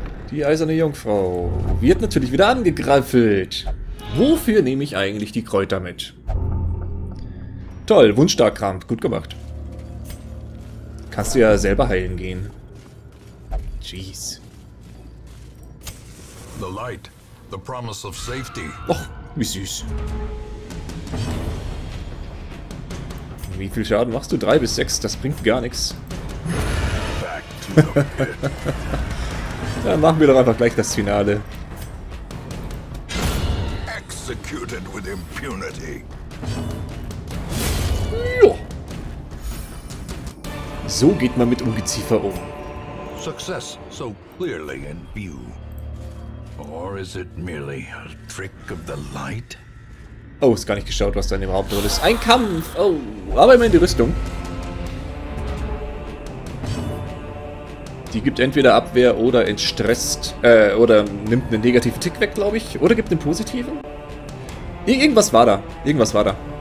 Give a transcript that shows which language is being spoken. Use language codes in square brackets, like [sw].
[de] Die eiserne Jungfrau wird natürlich wieder angegriffelt. Wofür nehme ich eigentlich die Kräuter mit? Toll, Wunschstarkkrampf, gut gemacht. Kannst du ja selber heilen gehen. Jeez. [en] The light, the promise of safety. [de] Och, wie süß. Wie viel Schaden machst du? 3 bis 6, das bringt gar nichts. [en] Back to the pit. [de] Dann machen wir doch einfach gleich das Finale. [en] Executed with impunity. Jo. [de] So geht man mit Ungeziefer um. [en] Success so clearly in view. Or is it merely a trick of the light? [de] Oh, ist gar nicht geschaut, was da überhaupt drin ist. Ein Kampf! Oh, aber immerhin die Rüstung. Die gibt entweder Abwehr oder entstresst, oder nimmt einen negativen Tick weg, glaube ich. Oder gibt einen positiven? Irgendwas war da. Irgendwas war da.